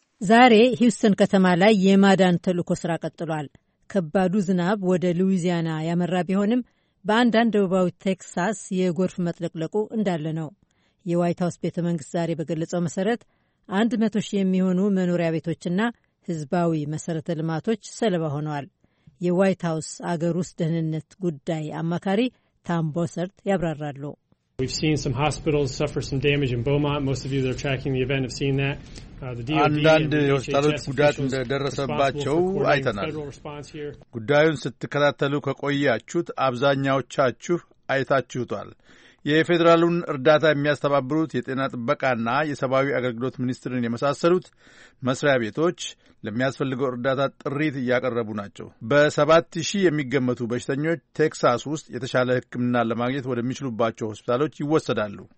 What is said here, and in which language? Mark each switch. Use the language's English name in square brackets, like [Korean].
[Amharic] ዛሬ ሂውስተን ከተማ ላይ የማዳን ተልእኮ ሥራ ቀጥሏል። ከባዱ ዝናብ ወደ ሉዊዚያና ያመራ ቢሆንም በአንዳንድ ደቡባዊ ቴክሳስ የጎርፍ መጥለቅለቁ እንዳለ ነው። የዋይት ሃውስ ቤተ መንግሥት ዛሬ በገለጸው መሠረት 100,000 የሚሆኑ መኖሪያ ቤቶችና ሕዝባዊ መሠረተ ልማቶች ሰለባ ሆነዋል። የዋይት ሃውስ አገር ውስጥ ደህንነት ጉዳይ አማካሪ ታም ቦሰርት ያብራራሉ። [English] We've seen some hospitals suffer some damage in Beaumont. Most of you that are tracking the event have seen that. [Amharic] አንዳንድ የሆስፒታሎች ጉዳት እንደደረሰባቸው አይተናል። ጉዳዩን ስትከታተሉ ከቆያችሁት አብዛኛዎቻችሁ አይታችሁታል። የፌዴራሉን እርዳታ የሚያስተባብሩት የጤና ጥበቃና የሰብአዊ አገልግሎት ሚኒስትርን የመሳሰሉት መስሪያ ቤቶች ለሚያስፈልገው እርዳታ ጥሪት እያቀረቡ ናቸው። በ7000 የሚገመቱ በሽተኞች ቴክሳስ ውስጥ የተሻለ ሕክምና ለማግኘት ወደሚችሉባቸው ሆስፒታሎች ይወሰዳሉ።